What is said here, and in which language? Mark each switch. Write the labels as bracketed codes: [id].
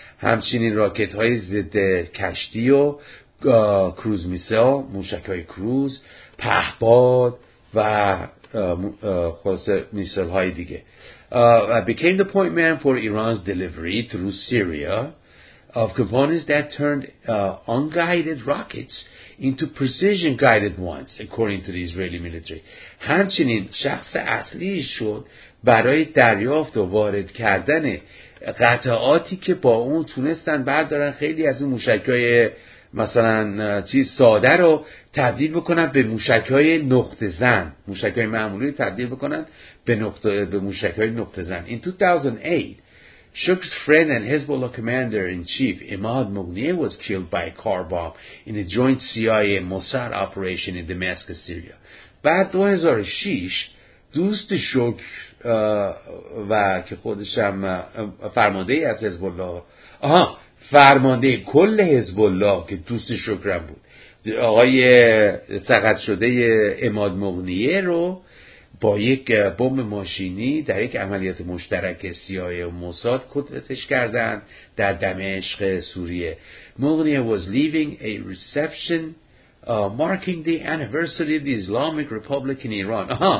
[fa] همچنین راکت های ضد کشتی و کروز میسل، موشک های کروز، پهباد و خلاصه میسل های دیگه. [en] Became the point man for Iran's delivery through Syria of components that turned unguided rockets into precision guided ones according to the Israeli military. [fa] همچنین شخص اصلی شد برای دریافت و وارد کردن قطعاتی که با اون تونستن بردارن خیلی از اون موشک های مثلا چیز ساده رو تبدیل بکنن به موشک های نقطه زن، موشک های معمولی تبدیل بکنن به موشک های نقطه زن. [en] In 2008 Shukr's friend and Hezbollah commander-in-chief Emad Mugniyeh was killed by a car bomb in a joint CIA-Mossad operation in Damascus, Syria. [fa] بعد 2006 دوست شکر و که خودش هم فرمانده‌ای از حزب‌الله، فرمانده کل حزب الله که دوست شکرم بود، آقای سقط شده عماد مغنیه رو با یک بمب ماشینی در یک عملیات مشترک CIA و موساد کتش کردن در دمشق سوریه. [en] مغنیه was leaving a reception marking the anniversary of the Islamic Republic in Iran.